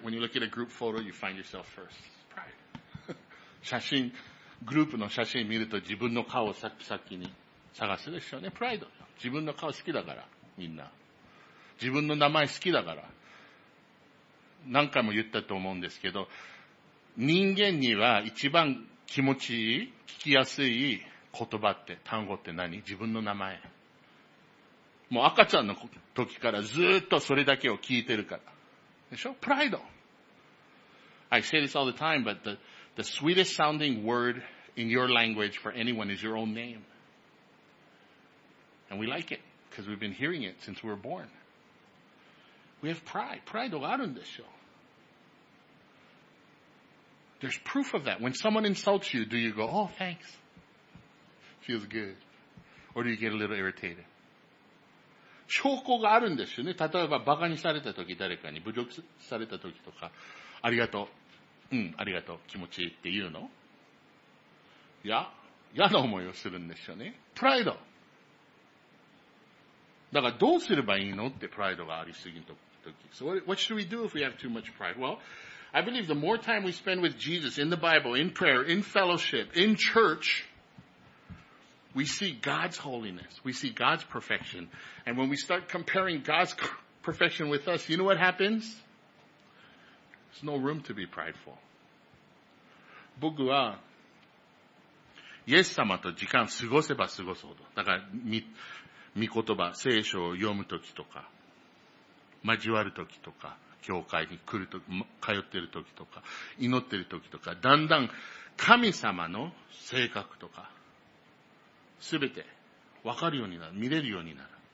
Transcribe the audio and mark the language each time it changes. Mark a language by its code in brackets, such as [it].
[en] When you look at a group photo, you find yourself first. Pride. [ja] 写真、グループの写真見ると自分の顔を先に探すでしょうね。 [en] Pride. [ja] 自分の顔好きだから、みんな。自分の名前好きだから、何回も言ったと思うんですけど、人間には一番気持ちいい、聞きやすい言葉って、単語って何？自分の名前。もう赤ちゃんの時からずっとそれだけを聞いてるから。でしょ？プライド。 [en] I say this all the time, but the sweetest sounding word in your language for anyone is your own name. And we like it, because we've been hearing it since we were born. We have pride. Pride [ja] があるんでしょう。 [en] There's proof of that. When someone insults you, do you go, oh, thanks. Feels good. Or do you get a little irritated? [ja] 証拠があるんですよね。例えば、バカにされた時、誰かに侮辱された時とか、ありがとう。うん、ありがとう。気持ちいいって言うの？いや、嫌な思いをするんですよね。 [en] Pride. [ja] だからどうすればいいのってプライドがありすぎるとき。 [en] So what should we do if we have too much pride? Well, I believe the more time we spend with Jesus in the Bible, in prayer, in fellowship, in church, we see God's holiness. We see God's perfection. And when we start comparing God's perfection with us, you know what happens? There's no room to be prideful. [ja] 僕は、イエス様と時間過ごせば過ごすほど。だから、見言葉、聖書を読むときとか、交わるときとか、教会に来るとき、通ってるときとか、祈ってるときとか、だんだん神様の性格とか、すべて分かるようになる、見れるようになる。